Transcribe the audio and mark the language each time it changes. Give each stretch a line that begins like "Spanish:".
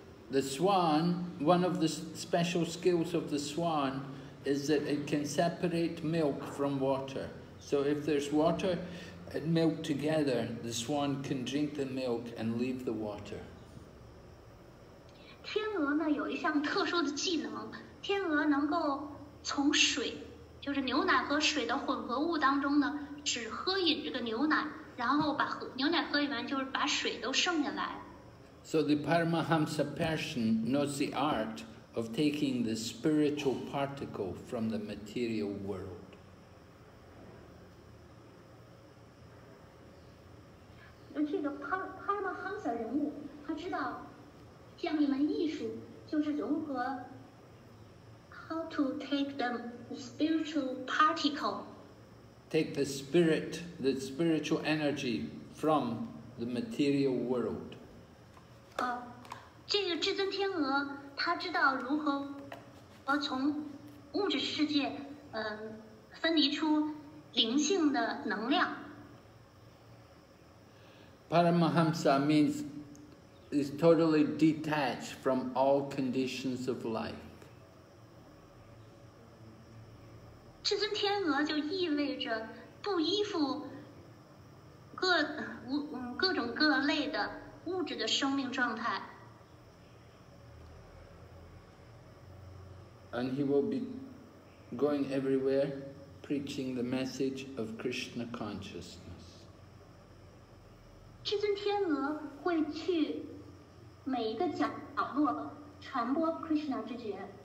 English: The swan, one of the special skills of the swan is that it can separate milk from water. So if there's water,And milk together, the swan can drink the milk and leave the water.
Chinese: 天鹅呢有一项特殊的技能，天鹅能够从水，就是牛奶和水的混合物当中呢，只喝饮这个牛奶，然后把牛奶喝完，就是把水都剩下来。
English: So the Paramahamsa person knows the art of taking the spiritual particle from the material world.
Chinese: 这个Paramahamsa人物，他知道这样一门艺术就是融合
English: how to take the spiritual particle, take the spirit, the spiritual energy from the material world.
Chinese: 这个至尊天鹅他知道如何从物质世界分离出灵性的能量。
English: Paramahamsa means is totally detached from all conditions of life.
Chinese: 至尊天鹅就意味着不依附各种各类的物质的生命状态。
English: And he will be going everywhere preaching the message of Krishna consciousness.
Chinese: 至尊天鹅会去每一个角落传播 Krishna 之觉。